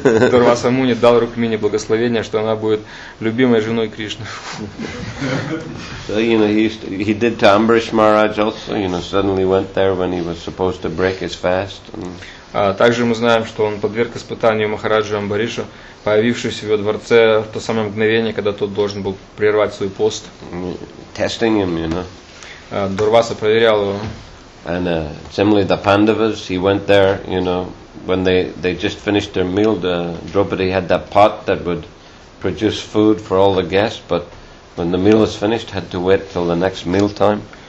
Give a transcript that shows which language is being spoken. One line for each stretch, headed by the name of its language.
Russian: Дурваса Муни дал Рукмини благословение, что она будет любимой женой Кришны.
English: So, you know, he did to Ambarish Maharaj also, you know, suddenly went there when he was supposed to break his fast.
Russian: Также мы знаем, что он подверг испытанию Махараджу Амбаришу, появившись в его дворце в то самое мгновение, когда тот должен был прервать свой пост.
English: Testing him, you know.
Russian: Дурваса проверял его.
English: And similarly the Pandavas, he went there, you know, when they just finished their meal, the Draupadi had that pot that would produce food for all the guests, but when the meal was finished, had to wait till the next meal time.